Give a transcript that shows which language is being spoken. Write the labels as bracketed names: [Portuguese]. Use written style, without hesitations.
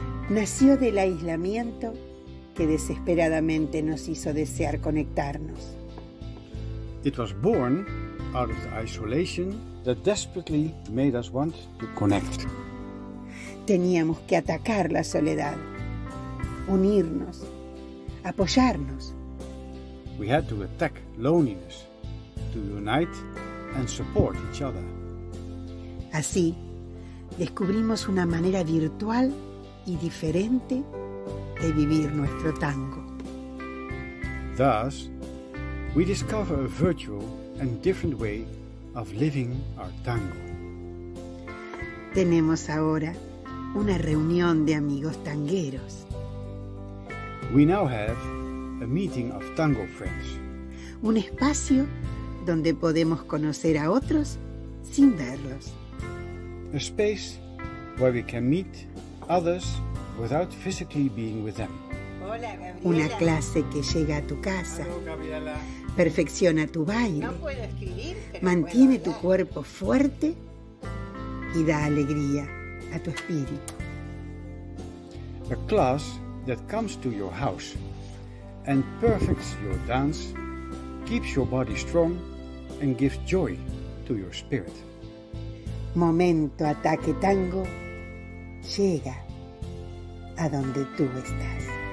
[Spanish] nació del aislamiento que desesperadamente nos hizo desear conectarnos. [English] It was born out of the isolation that desperately made us want to connect. [Spanish] Teníamos que atacar la soledad, unirnos, apoyarnos. [English] We had to attack loneliness to unite and support each other. [Spanish] Así, descubrimos una manera virtual y diferente de vivir nuestro tango. [English] Thus, we discover a virtual and different way of living our tango. [Spanish] Tenemos ahora una reunión de amigos tangueros. [English] We now have a meeting of tango friends. [Spanish] Un espacio donde podemos conocer a otros sin verlos. [English] A space where we can meet others without physically being with them. [Spanish] Hola, Gabriela. Una clase que llega a tu casa. Hola, Gabriela. Perfecciona tu baile. No puedo escribir, pero mantiene tu cuerpo fuerte y da alegría a tu espíritu. [English] A class that comes to your house and perfects your dance, keeps your body strong and gives joy to your spirit. [Spanish] Momento Ataque Tango llega a donde tú estás.